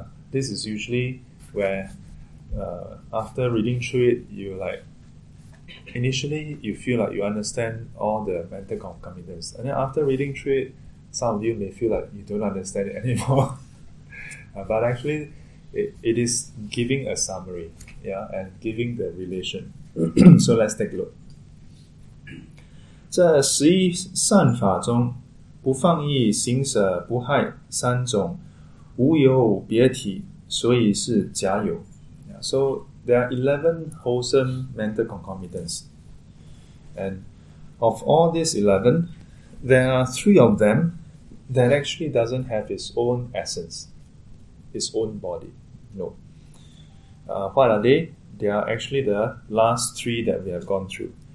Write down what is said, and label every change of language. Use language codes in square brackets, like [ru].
[en] This is usually where after reading through it, initially you feel like you understand all the mental concomitants, and then after reading through it, some of you may feel like you don't understand it anymore. But actually, it is giving a summary, yeah, and giving the relation. So let's take a look. [zh] 这十一善法中，不放逸、行舍、不害三种，无有别体，所以是假有。 [en] Yeah, so there are 11 wholesome mental concomitants. And of all these 11, there are 3 of them that actually doesn't have its own essence, its own body. No. What are they? They are actually the last 3 that we have gone through.